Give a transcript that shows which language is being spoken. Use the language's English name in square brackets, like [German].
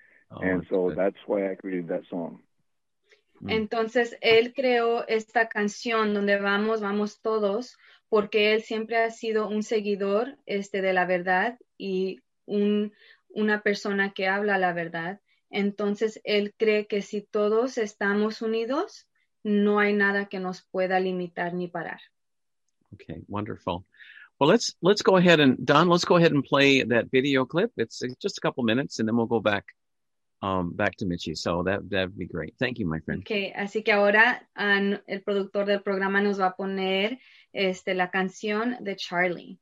[English] Oh, and so that's why I created that song. [Spanish] Entonces, él creó esta canción, Donde Vamos, Vamos Todos, porque él siempre ha sido un seguidor de la verdad y una persona que habla la verdad. Entonces, él cree que si todos estamos unidos, no hay nada que nos pueda limitar ni parar. [English] Okay, wonderful. Well, let's go ahead and, Don, let's go ahead and play that video clip. It's just a couple minutes, and then we'll go back back to Michi. So that'd be great. Thank you, my friend. [Spanish] Okay, así que ahora el productor del programa nos va a poner la canción de Charlie.